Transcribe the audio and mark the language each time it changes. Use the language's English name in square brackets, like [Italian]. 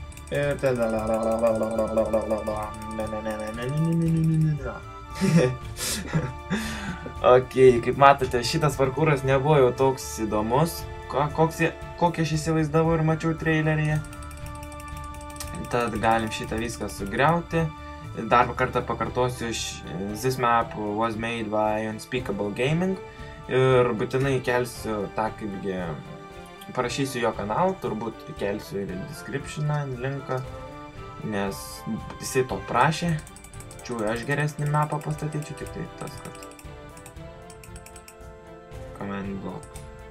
[Lithuanian] Ir tada la la la la la la la la la la la. Ok, kaip matote, šitas parkūras nebuvo jau toks įdomus, kokį aš įsivaizdavau ir mačiau trailerį. Tad galim šitą viską sugriauti. Dar kartą pakartosiu, [English] this map was made by Unspeakable Gaming. [Lithuanian] Ir būtinai kelsiu tą, kaipgi parašysiu jo kanalą, turbūt kelsiu ir descriptioną, linką, nes jisai to prašė. Čiūrė, aš geresnį mapą pastatyčiau, tik tai tas, kad... Command block.